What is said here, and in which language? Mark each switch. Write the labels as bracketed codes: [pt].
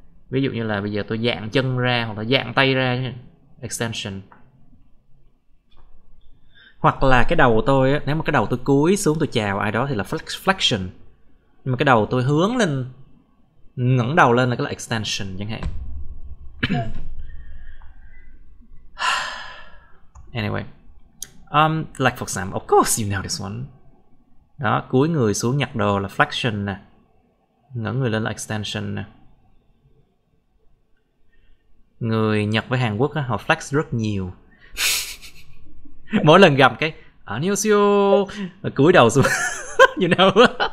[vi] Ví dụ như là bây giờ tôi dạng chân ra hoặc là dạng tay ra, extension. Hoặc là cái đầu tôi, nếu mà cái đầu tôi cúi xuống tôi chào ai đó thì là flexion. Nhưng mà cái đầu tôi hướng lên, ngẩng đầu lên là cái là extension chẳng hạn. [en] Anyway, like for example, of course you know this one. [vi] Đó, cúi người xuống nhặt đồ là flexion nè, ngẩng người lên là extension nè. Người Nhật với Hàn Quốc á, họ flex rất nhiều. Mỗi lần gặp cái Anisio cúi đầu xuống, you know.